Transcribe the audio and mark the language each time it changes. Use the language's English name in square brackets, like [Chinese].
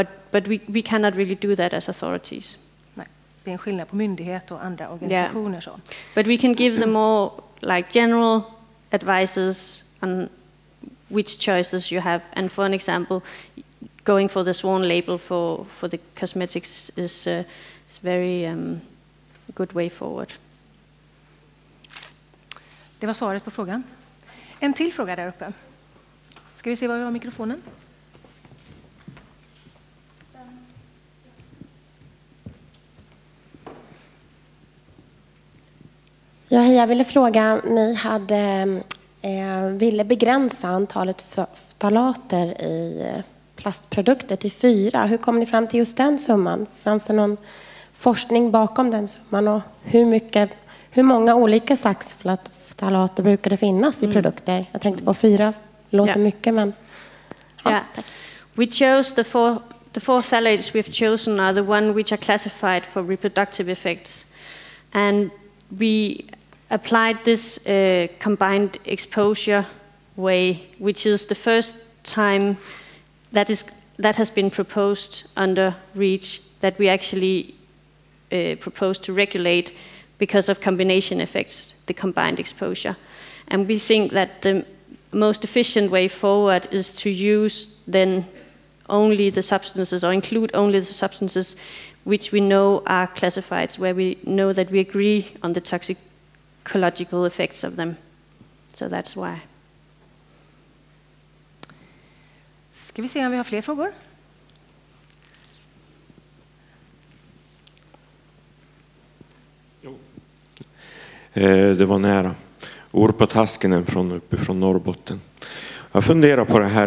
[English] But we cannot really do that as authorities. [Swedish] Nej, det är en skillnad på myndighet och andra organisationer så. [English] But we can give them more like general advices on which choices you have. And for an example, going for the Swan label for the cosmetics is very good way forward. [Swedish] Det var svaret på frågan. En till fråga där uppe. Ska vi se var vi har mikrofonen? Ja, hej, jag ville fråga, ni hade ville begränsa antalet ftalater I plastprodukter till 4. Hur kom ni fram till just den summan? Fanns det någon forskning bakom den summan och hur många olika saxfalater brukar det finnas i produkter? Jag tänkte på 4 låter mycket, men ja, tack. [English] We chose the four phthalates we've chosen are the one which are classified for reproductive effects, and we applied this combined exposure way, which is the first time that has been proposed under REACH, that we actually proposed to regulate because of combination effects, the combined exposure. And we think that the most efficient way forward is to use then only the substances, or include only the substances which we know are classified, where we know that we agree on the toxicological effects of them. So that's why. [Swedish] Ska vi se om vi har fler frågor? Jo. Det var nära. Orpa Taskinen från uppifrån Norrbotten. Jag funderar på det här.